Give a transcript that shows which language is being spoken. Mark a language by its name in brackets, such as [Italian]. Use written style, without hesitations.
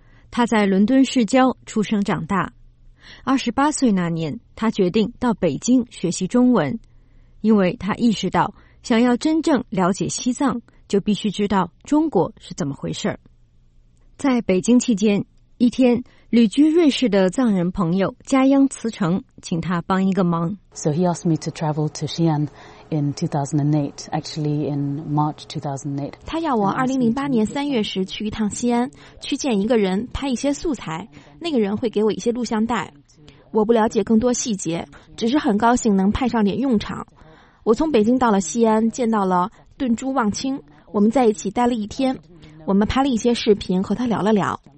[Chinese] 他在伦敦市郊出生长大。28岁那年，他决定到北京学习中文，因为他意识到，想要真正了解西藏，就必须知道中国是怎么回事。在北京期间，一天，旅居瑞士的藏人朋友加央慈城请他帮一个忙。 [English] So he asked me to travel to Xi'an in 2008, actually in March 2008. [Chinese] 他要我2008年3月时去一趟西安，去见一个人，拍一些素材。那个人会给我一些录像带。我不了解更多细节，只是很高兴能派上点用场。我从北京到了西安，见到了顿珠旺清，我们在一起待了一天，我们拍了一些视频和他聊了聊。